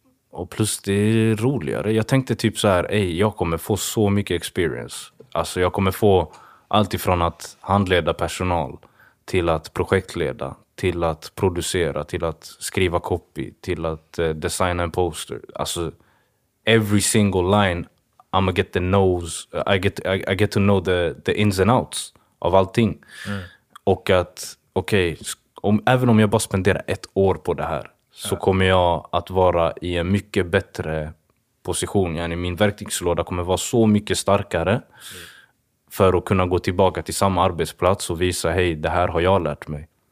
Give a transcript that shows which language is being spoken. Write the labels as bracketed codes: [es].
[sv] Och plus det är roligare. Jag tänkte typ så här, ej, jag kommer få så mycket experience. Alltså jag kommer få allt ifrån att handleda personal till att projektleda, till att producera, till att skriva copy, till att designa en poster. Alltså... [en] Every single line, I'm gonna get the nose. I get to know the ins and outs [sv] av allting. Mm. Och att, okej, även om jag bara spenderar ett år på det här, så kommer jag att vara i en mycket bättre position. Yani min verktygslåda kommer vara så mycket starkare för att kunna gå tillbaka till samma arbetsplats och visa, hej, det här har jag lärt mig.